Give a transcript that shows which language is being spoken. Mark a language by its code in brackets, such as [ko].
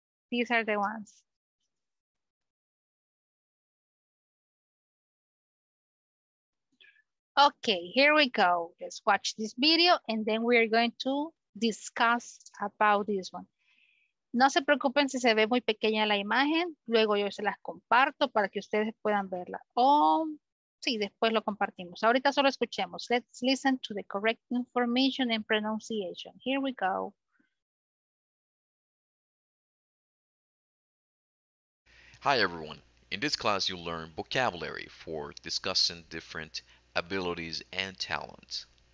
[en] These are the ones. Okay, here we go. Let's watch this video and then we are going to discuss about this one. [es] No se preocupen si se ve muy pequeña la imagen. Luego yo se las comparto para que ustedes puedan verla. Oh, sí, después lo compartimos. Ahorita solo escuchemos. [en] Let's listen to the correct information and pronunciation. Here we go. Hi, everyone. In this class, you'll learn vocabulary for discussing different abilities and talents.